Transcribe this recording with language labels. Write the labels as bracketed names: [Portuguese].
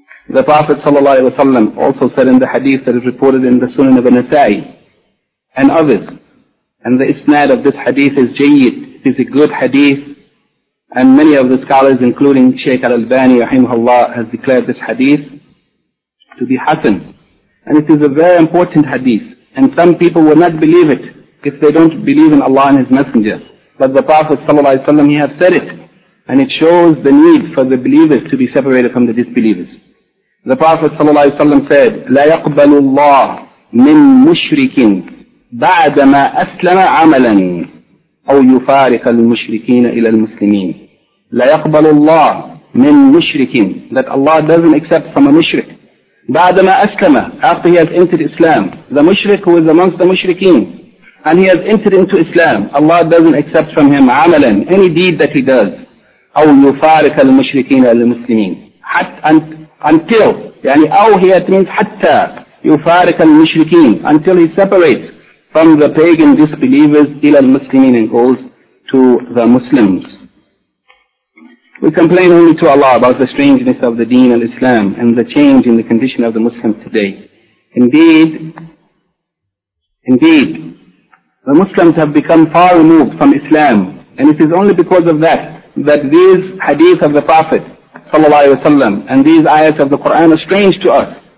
[English] The Prophet ﷺ also said in the hadith that is reported in the Sunan of An-Nasa'i and others, and the isnad of this hadith is jayyid, it is a good hadith, and many of the scholars, including Shaykh Al-Albani, rahimahullah, has declared this hadith to be hasan. And it is a very important hadith. And some people will not believe it if they don't believe in Allah and His Messenger. But the Prophet ﷺ, he has said it. And it shows the need for the believers to be separated from the disbelievers. The Prophet ﷺ said, [Arabic] لَا يَقْبَلُ اللَّهُ مِن مُشْرِكٍ بَعْدَ مَا أَسْلَمَ عَمَلًا أَوْ يُفَارِقَ الْمُشْرِكِينَ إِلَى الْمُسْلِمِينَ. لَا يَقْبَلُ اللَّهُ مِن مُشْرِكٍ. [English] That Allah doesn't accept from a mushrik. [Arabic] بَعْدَمَا أَسْلَمَ. [English] After he has entered Islam, the mushrik who is amongst the mushrikeen, and he has entered into Islam, Allah doesn't accept from him [Arabic] عَمَلًا, [English] any deed that he does. [Arabic] أَوْ يُفَارِكَ الْمُشْرِكِينَ الْمُسْلِمِينَ. [English] Until, [Arabic] يعني أَوْ هِيَ [English] means [Arabic] حَتَّى يُفَارِكَ الْمُشْرِكِينَ. [English] Until he separates from the pagan disbelievers [Arabic] إِلَى الْمُسْلِمِينَ, [English] and goes to the Muslims. We complain only to Allah about the strangeness of the deen of Islam and the change in the condition of the Muslim today. Indeed, the Muslims have become far removed from Islam, and it is only because of that these hadith of the Prophet ﷺ and these ayats of the Quran are strange to us.